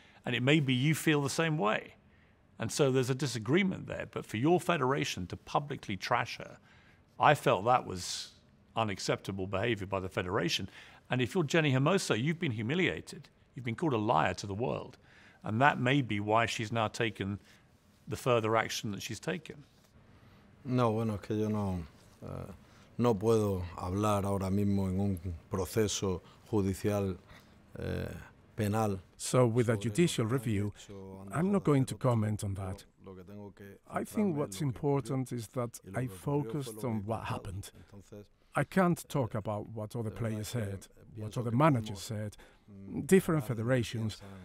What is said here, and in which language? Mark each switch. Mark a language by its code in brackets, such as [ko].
[en] And it may be you feel the same way. And so there's a disagreement there, but for your federation to publicly trash her, I felt that was unacceptable behavior by the federation. And if you're Jenni Hermoso, you've been humiliated. You've been called a liar to the world. And that may be why she's now taken the further action that she's taken. [es] No, bueno, es que yo no, no puedo hablar ahora mismo en un proceso judicial penal. [en] So with a judicial review, I'm not going to comment on that. I think what's important is that I focused on what happened. I can't talk about what other players said, what other managers said, different federations.